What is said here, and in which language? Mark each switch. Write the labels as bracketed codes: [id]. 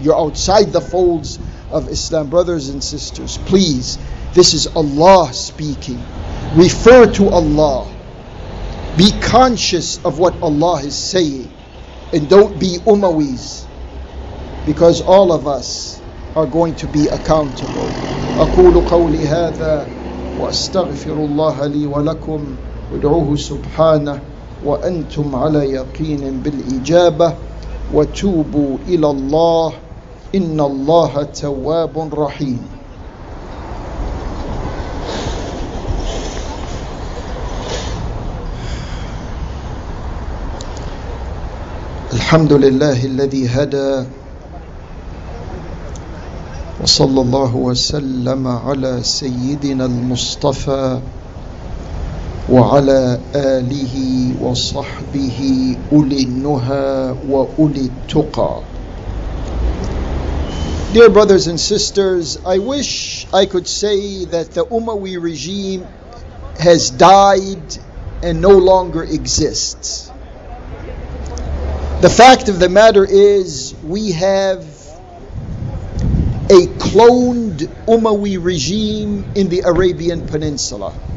[en] You're outside the folds of Islam. Brothers and sisters, please, this is Allah speaking. Refer to Allah. Be conscious of what Allah is saying. And don't be Umawis, because all of us are going to be accountable. [ar] أقول قولي هذا وأستغفر الله لي ولكم ودعوه سبحانه وأنتم على يقين بالإجابة وتوبوا إلى الله إن الله تواب رحيم. الحمد لله الذي هدى وصلى الله وسلم على سيدنا المصطفى وعلى آله وصحبه أولي النهى وأولي التقى. [en] Dear brothers and sisters, I wish I could say that the Umayyad regime has died and no longer exists. The fact of the matter is, we have a cloned Umayyad regime in the Arabian Peninsula.